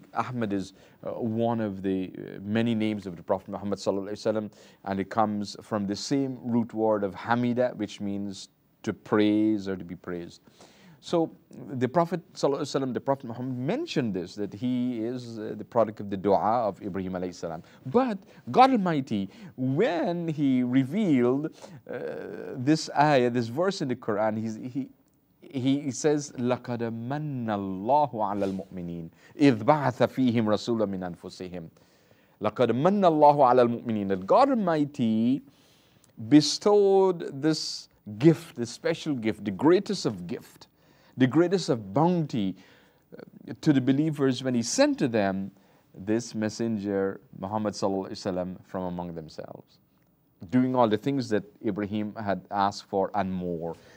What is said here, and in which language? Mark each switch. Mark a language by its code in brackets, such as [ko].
[en] Ahmad is one of the many names of the Prophet Muhammad sallallahu alaihi wasallam, and it comes from the same root word of Hamida, which means to praise or to be praised. So the Prophet sallallahu alaihi wasallam, the Prophet Muhammad mentioned this, that he is the product of the dua of Ibrahim alaihi wasallam. But God Almighty, when he revealed this ayah, this verse in the Quran, he says, [ar] لَقَدَ مَنَّ اللَّهُ عَلَى الْمُؤْمِنِينَ إِذْ بَعَثَ فِيهِمْ رَسُولًا مِنْ أَنفُسِهِمْ لَقَدَ مَنَّ اللَّهُ عَلَى الْمُؤْمِنِينَ. [en] God Almighty bestowed this gift, this special gift, the greatest of gift, the greatest of bounty to the believers when he sent to them this messenger, Muhammad sallallahu alayhi wa sallam, from among themselves, doing all the things that Ibrahim had asked for and more.